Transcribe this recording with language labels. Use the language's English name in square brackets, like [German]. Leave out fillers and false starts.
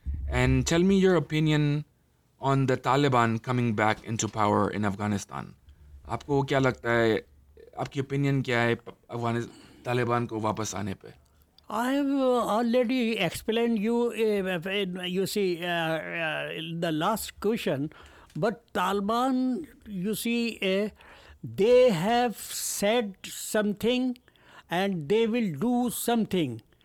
[English] And tell me your opinion on the Taliban coming back into power in Afghanistan. [Hindi] आपको क्या लगता है? आपकी opinion क्या है अफगानिस्तान तालिबान को वापस आने पे? [English] I have already explained you, the last question. But Taliban, they have said something and they will do something.